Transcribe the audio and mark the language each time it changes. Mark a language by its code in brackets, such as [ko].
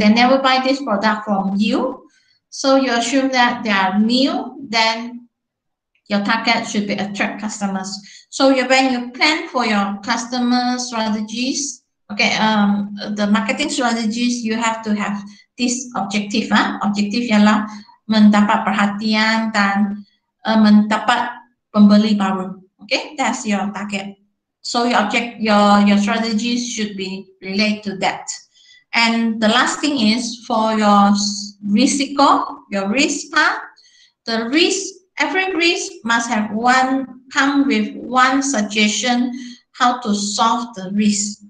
[en] They never buy this product from you. So you assume that they are new, then your target should be attract customers. So when you plan for your customer strategies, okay, the marketing strategies, you have to have this objective. [ms] Objective ialah mendapat perhatian dan mendapat pembeli baru. [en] Okay, that's your target. So your strategies should be related to that. And the last thing is for your risiko, your risk part, the risk. Every risk must have one, come with one suggestion how to solve the risk.